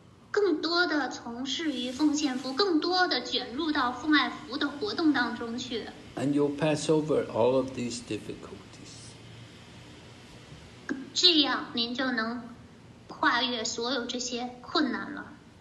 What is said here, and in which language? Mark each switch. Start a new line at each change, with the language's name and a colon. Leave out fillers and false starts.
Chinese: 更多的从事于奉献服，更多的卷入到奉爱服的活动当中去。
English: And you'll pass over all of these difficulties.
Chinese: 这样您就能跨越所有这些困难了。